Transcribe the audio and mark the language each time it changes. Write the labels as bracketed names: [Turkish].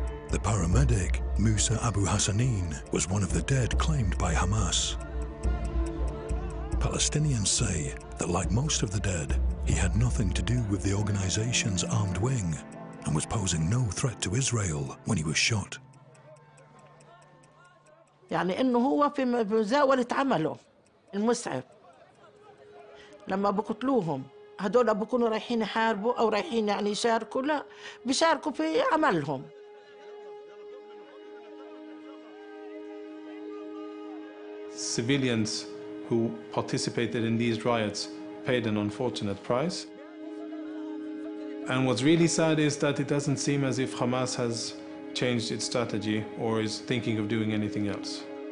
[English] The paramedic, Musa Abu Hassanin, was one of the dead claimed by Hamas. Palestinians say that like most of the dead, he had nothing to do with the organization's armed wing and was posing no threat to Israel when he was shot. [Arabic] يعني انه هو في مزاولة عمله المسعف لما بقتلوهم هدول بكونوا رايحين يحاربوا أو رايحين يعني يشاركوا، لا بيشاركوا في عملهم. [English] Civilians who participated in these riots paid an unfortunate price. And what's really sad is that it doesn't seem as if Hamas has changed its strategy or is thinking of doing anything else.